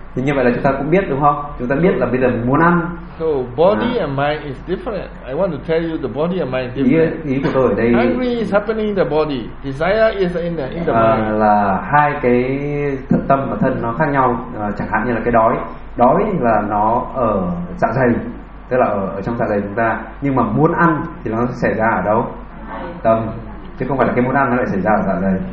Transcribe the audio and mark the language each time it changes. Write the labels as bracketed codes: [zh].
[vi] Thì như vậy là chúng ta cũng biết đúng không? Chúng ta biết là bây giờ muốn ăn. [en] So body and mind is different. I want to tell you the body and mind different. [vi] Ý của tôi ở đây. [en] Hungry is happening in the body. Desire is in the mind. [vi] Là hai cái thân, tâm và thân nó khác nhau. Chẳng hạn như là cái đói. Đói là nó ở dạ dày. Tức là ở trong dạ dày chúng ta. Nhưng mà muốn ăn thì nó xảy ra ở đâu? Tâm. Chứ không phải là cái muốn ăn nó lại xảy ra ở dạ dày.